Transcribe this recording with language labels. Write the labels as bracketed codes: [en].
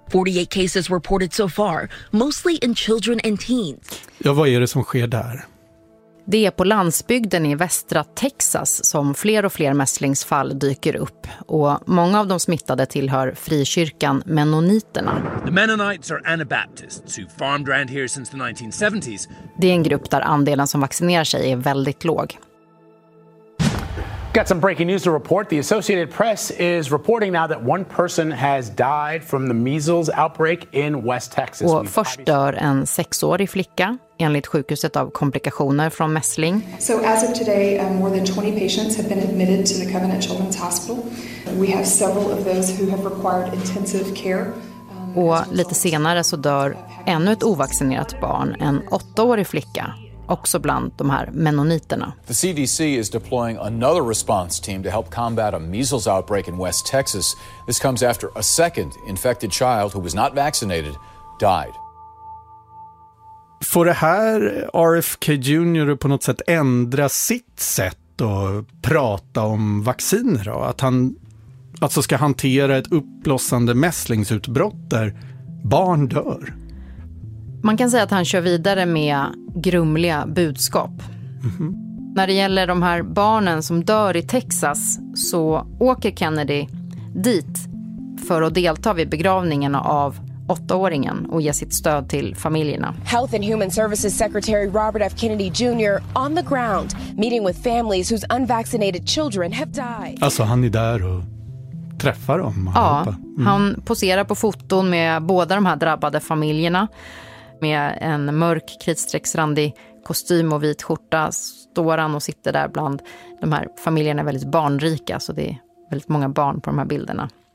[en] 48 cases reported so far, mostly in children and teens. [sv] Ja, vad är det som sker där? Det är på landsbygden i västra Texas som fler och fler mässlingsfall dyker upp. Och många av de smittade tillhör frikyrkan Mennoniterna. [en] The Mennonites are Anabaptists who farmed around here since the 1970s. [sv] Det är en grupp där andelen som vaccinerar sig är väldigt låg. [en] Got some breaking news to report. The Associated Press is reporting now that one person has died from the measles outbreak in West Texas. [sv] Och först dör en 6-årig flicka enligt sjukhuset av komplikationer från mässling. [en] So as of today, more than 20 patients have been admitted to the Covenant Children's Hospital. We have several of those who have required intensive care. [sv] Och lite senare så dör ännu ett ovaccinerat barn, en 8-årig flicka. Också bland de här mennoniterna. [en] The CDC is deploying another response team to help combat a measles outbreak in West Texas. This comes after a second infected child who was not vaccinated died. [sv] Får det här RFK Jr. på något sätt ändra sitt sätt att prata om vacciner då? Att han alltså ska hantera ett uppblossande mässlingsutbrott där barn dör? Man kan säga att han kör vidare med grumliga budskap. Mm-hmm. När det gäller de här barnen som dör i Texas så åker Kennedy dit för att delta vid begravningen av 8-åringen och ge sitt stöd till familjerna. [en] Health and Human Services Secretary Robert F. Kennedy Jr. on the ground meeting with families whose unvaccinated children have died. [sv] Alltså han är där och träffar dem. Ja, han poserar på foton med båda de här drabbade familjerna. Med en mörk, kritstrecksrandig kostym och vit skjorta står han och sitter där bland de här familjerna är väldigt barnrika, så det är väldigt många barn på de här bilderna.